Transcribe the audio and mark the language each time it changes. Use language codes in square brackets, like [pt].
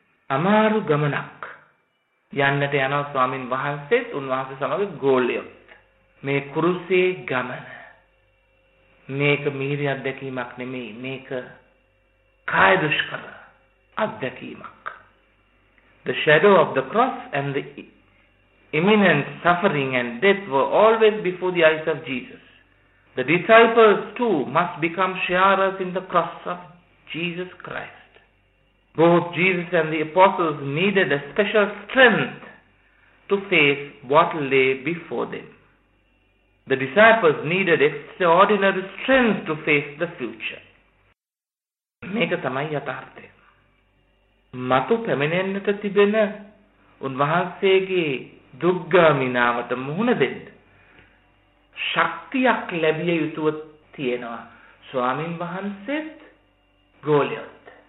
[si] අමාරු ගමනක් යන්නට යන ස්වාමින් වහන්සේත් උන්වහන්සේ සමග ගෝලියොත් මේ කුරුසේ ගමන, මේක මිහිරි අත්දැකීමක් නෙමෙයි, මේක කාය දුෂ්කර අත්දැකීමක්. [en] The shadow of the cross and the imminent suffering and death were always before the eyes of Jesus. The disciples too must become sharers in the cross of Jesus Christ. Both Jesus and the apostles needed a special strength to face what lay before them. The disciples needed extraordinary strength to face the future. [si] Meka tamai yatharthe. මතු පැමිණෙන්නට තිබෙන උන්වහන්සේගේ දුක්ගාමිනාවට මුහුණ දෙන්න ශක්තියක් ලැබිය යුතුව තියෙනවා ස්වාමින් වහන්සේත් ගෝලියොත්.